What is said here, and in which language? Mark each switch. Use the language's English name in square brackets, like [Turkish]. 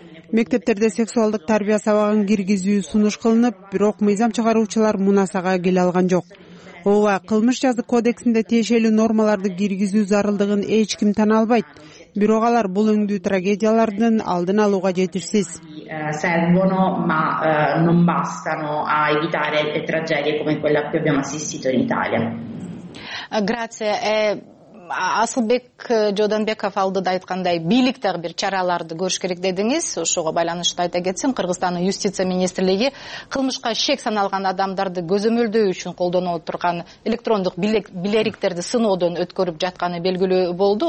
[Kyrgyz] Мектептерде сексуалдык тарбия сабагын киргизүү сунуш кылынып, бирок мыйзам чыгаруучулар мунасага келе алган жок. Ооба, кылмыш жазы кодексинде тиешелүү нормаларды киргизүү зарылдыгын эч ким тана албайт. Бирок алар бул өңдүү трагедиялардын алдын алууга жетишсиз. [Italian] Servono ma non bastano a evitare le tragedie come quella che abbiamo assistito in Italia. Grazie. [Kyrgyz] Асылбек Жоданбеков алдыда айткандай бийлик дагы бир чараларды көрүш керек дедиңиз. Ошого байланыштуу айта кетсем, Кыргызстандын юстиция министрлиги кылмышка шек саналган адамдарды көзөмөлдөө үчүн колдонуп турган электрондук билериктерди сыноодон өткөрүп жатканы белгилүү болду.